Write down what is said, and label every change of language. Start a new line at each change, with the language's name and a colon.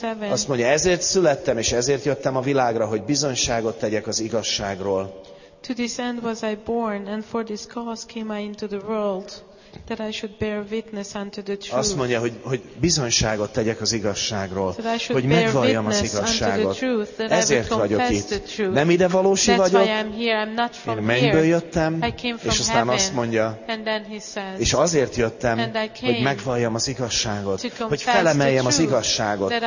Hungarian: Azt mondja, ezért születtem, és ezért jöttem a világra, hogy bizonyságot tegyek az igazságról.
English: To this end was I born, and for this cause came I into the world. That I should bear witness unto the truth.
Hungarian: Azt mondja, hogy bizonyságot tegyek az igazságról, hogy megvalljam az igazságot. Ezért vagyok itt. Nem ide valósi vagyok. Én mennyből jöttem, és aztán azt mondja, és azért jöttem, hogy megvalljam az igazságot, hogy felemeljem az igazságot.